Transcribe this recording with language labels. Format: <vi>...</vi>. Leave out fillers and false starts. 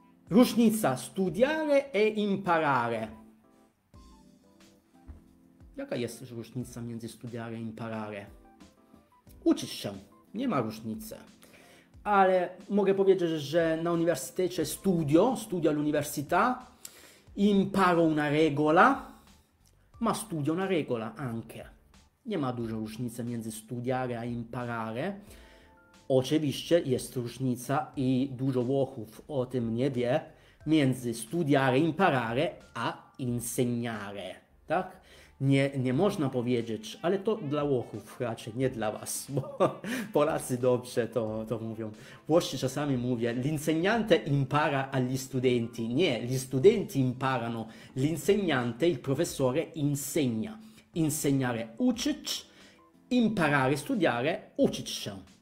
<pl>Różnica studiare e imparare. Jaka jest różnica między studiare e imparare? Uczysz się. Nie ma różnicy. Ale mogę powiedzieć, że na uniwersytecie</pl> <it>studio all'università, imparo una regola, ma studio una regola anche.</it> <pl>Nie ma dużo różnicy między studiare e imparare. Oczywiście jest różnica i dużo Włochów o tym nie wie, między studiare, imparare a insegnare, tak? Nie można powiedzieć, ale to dla Włochów raczej, nie dla Was, bo Polacy dobrze to mówią. Włosi czasami mówią,</pl> <it>l'insegnante impara agli studenti. Nie, gli studenti imparano, l'insegnante, il professore, insegna. Insegnare, uczyć, imparare, studiare, uczyć się.</it>